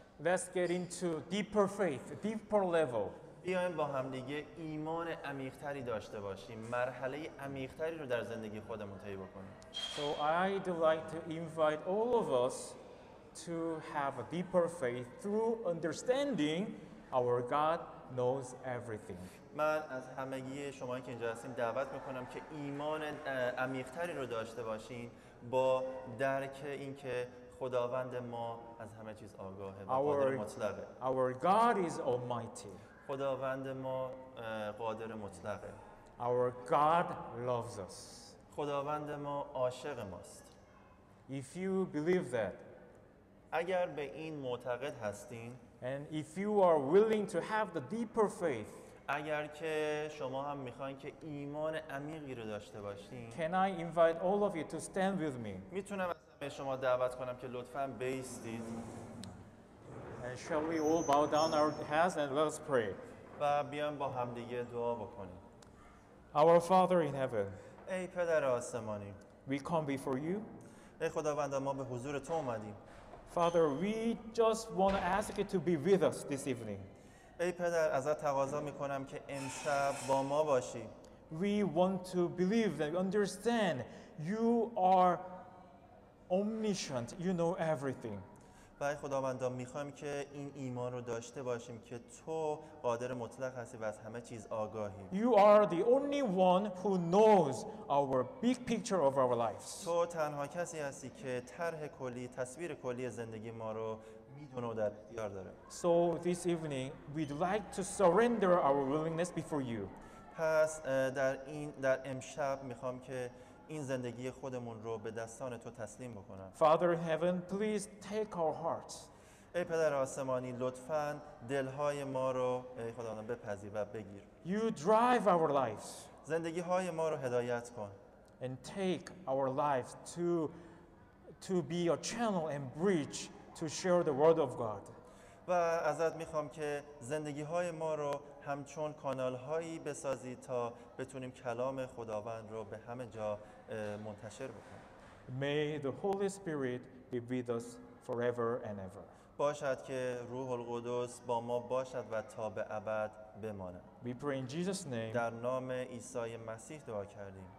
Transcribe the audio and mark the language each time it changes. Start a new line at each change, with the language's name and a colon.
English: Let's get into deeper faith, deeper level.
Persian: بیایم با هم دیگه ایمان عمیق‌تری داشته باشیم، مرحله عمیق‌تری رو در زندگی خودمون طی بکنیم.
English: So I'd like to invite all of us to have a deeper faith through understanding our God knows everything.
Persian: من از همگی شما که اینجا هستیم دعوت می‌کنم که ایمان عمیق‌تری رو داشته باشین با درک اینکه خداوند ما از همه چیز آگاهه و قادر مطلقه.
English: Our God is almighty.
Persian: خداوند ما قادر مطلقه.
English: Our God loves us.
Persian: خداوند ما عاشق ماست.
English: If you believe that.
Persian: اگر به این معتقد هستین.
English: And if you are willing to have the deeper faith.
Persian: اگر که شما هم میخواین که ایمان عمیقی رو داشته باشین.
English: Can I invite all of you to stand with me?
Persian: میتونم از همه شما دعوت کنم که لطفاً بایستید.
English: And shall we all bow down our heads and let us pray.
Persian: و بیان با هم دیگه دعا بکنیم.
English: Our Father in heaven.
Persian: ای پدر آسمانی.
English: We come before you.
Persian: ای خداوند، ما به حضور تو اومدیم.
English: Father, we just want to ask you to be with us this evening.
Persian: ای پدر، ازت تقاضا میکنم که امشب با ما باشی.
English: We want to believe and understand you are omniscient. You know everything.
Persian: و ای خداوند، میخوایم که این ایمان رو داشته باشیم که تو قادر مطلق هستی و از همه چیز آگاهی.
English: You are the only one who knows our big picture of our lives.
Persian: تو تنها کسی هستی که طرح کلی، تصویر کلی زندگی ما رو میدونه و در اختیار داره.
English: So this evening we'd like to surrender our willingness before you.
Persian: پس در امشب میخوام که این زندگی خودمون رو به دستان تو تسلیم بکنم.
English: Father in heaven, please take our hearts.
Persian: ای پدر آسمانی، لطفاً دلهای ما رو ای خداوند بپذیر و بگیر.
English: You drive our lives.
Persian: زندگی های ما رو هدایت کن.
English: And take our lives to be a channel and bridge to share the word of God.
Persian: و ازت میخوام که زندگی های ما رو همچون کانال هایی بسازی تا بتونیم کلام خداوند رو به همه جا منتشر بکنیم.
English: May the Holy Spirit be with us forever and ever.
Persian: باشد که روح القدس با ما باشد و تا به ابد بماند.
English: We pray in Jesus' name.
Persian: در نام عیسی مسیح دعا کردیم.